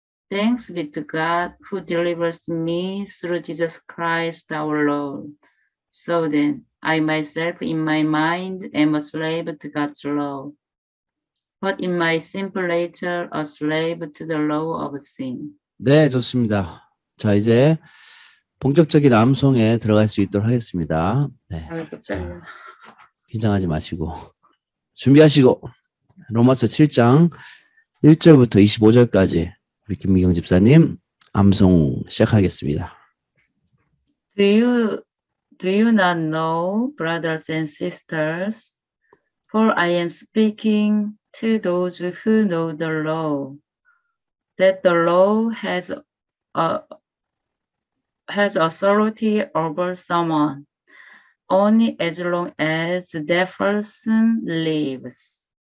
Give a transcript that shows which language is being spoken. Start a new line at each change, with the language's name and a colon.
English: Thanks be to God who delivers me through Jesus Christ our Lord. So then, I myself in my mind am a slave to God's law, but in my simple nature a slave to the law of sin.
Korean: 네, 좋습니다. 자, 이제 본격적인 암송에 들어갈 수 있도록 하겠습니다. 네. 자, 긴장하지 마시고 준비하시고 로마서 7장 1절부터 25절까지 우리 김미경 집사님 암송 시작하겠습니다.
English: Do you not know, brothers and sisters, for I am speaking to those who know the law, that the law has authority over someone only as long as that person lives.